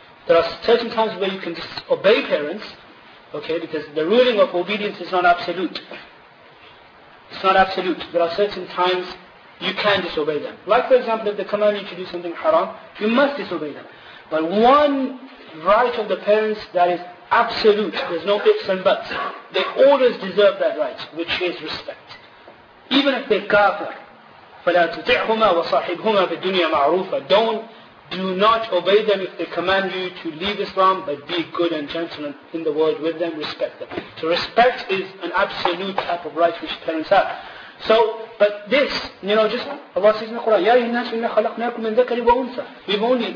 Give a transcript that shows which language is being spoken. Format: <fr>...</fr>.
<en>There are certain times where you can disobey parents, okay, because the ruling of obedience is not absolute. It's not absolute. There are certain times you can disobey them. Like for example, if they command you to do something haram, you must disobey them. But one right of the parents that is absolute, there's no ifs and buts, they always deserve that right, which is respect. Even if they're kafir,</en> <ar>فَلَا تُطِعْهُمَا وَصَاحِبْهُمَا فِي الدُّنْيَا مَعْرُوفًا.</ar> <en>Do not obey them if they command you to leave Islam, but be good and gentle in the world with them, respect them. So respect is an absolute type of right which parents have. So, but this, you know, just Allah says in the Quran,</en> <ar>يَا أَيُّهَا النَّاسُ إِنَّا خَلَقْنَاكُمْ مِنْ ذَكَرٍ وَأُنْثَى.</ar>